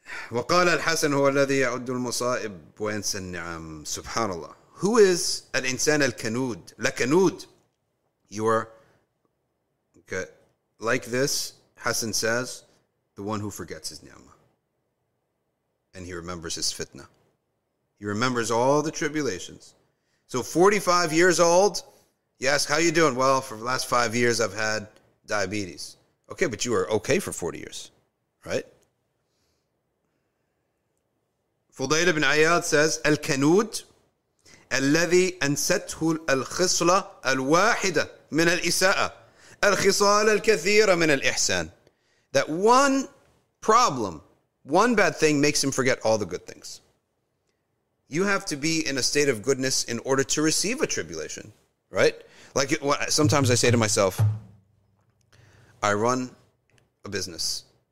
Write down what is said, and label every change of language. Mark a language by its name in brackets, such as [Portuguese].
[Arabic] وقال الحسن هو الذي يعد المصائب وينسى النعم سبحان الله. [English] Who is an insan al-kanud? La-kanud. You are okay, like this, Hassan says, the one who forgets his ni'mah. And he remembers his fitna. He remembers all the tribulations. So 45 years old, you ask, how you doing? Well, for the last 5 years, I've had diabetes. Okay, but you are okay for 40 years, right? Fudayl ibn Ayyad says, al-kanud [Arabic] الذي أنسته الخصلة الواحدة من الإساءة الخصال الكثيرة من الإحسان. [English] That one problem, one bad thing makes him forget all the good things. You have to be in a state of goodness in order to receive a tribulation, right? Like sometimes I say to myself, I run a business.